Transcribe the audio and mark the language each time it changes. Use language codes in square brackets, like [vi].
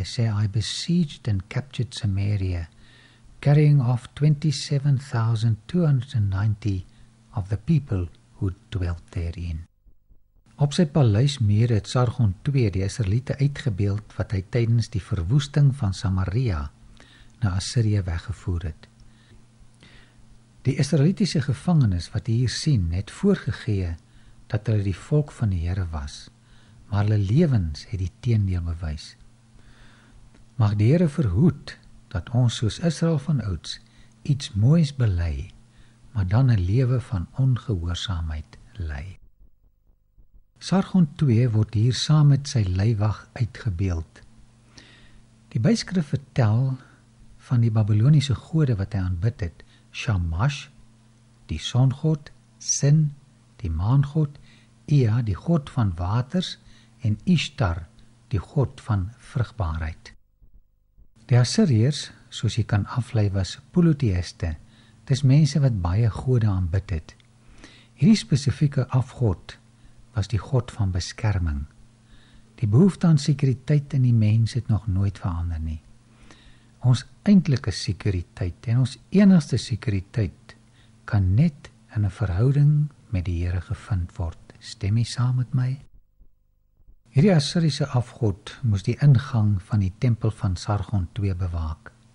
[af] Hy sê, [en] I besieged and captured Samaria, carrying off 27,290 of the people who dwelt therein. [af] Op sy paleismuur het Sargon II die Israeliete uitgebeeld wat hy tydens die verwoesting van Samaria na Assirië weggevoer het. Die Israelitiese gevangenes wat hier sien het voorgegee dat hulle die volk van die Here was, maar hulle lewens het die teendeel bewys. Mag die Here verhoed dat ons soos Israel van ouds iets moois bely, maar dan 'n lewe van ongehoorsaamheid lei. Sargon II word hier saam met sy leiwag uitgebeeld. Die byskrif vertel van die Babyloniese gode wat hy aanbid het, Shamash, die songod, Sin, die maangod, Ea, die god van waters, en Ishtar, die god van vrugbaarheid. Die Assiriërs, soos jy kan aflei, was polytheïste, dis mense wat baie gode aanbid het. Hierdie spesifieke afgod was die god van beskerming. Die behoefte aan sekuriteit in die mens het nog nooit verander nie. Ons eintlike sekuriteit en ons enigste sekuriteit kan net in 'n verhouding met die Here gevind word. Stem jy saam met my? Hierdie Assiriese afgod moes die ingang van die tempel van Sargon II bewaak.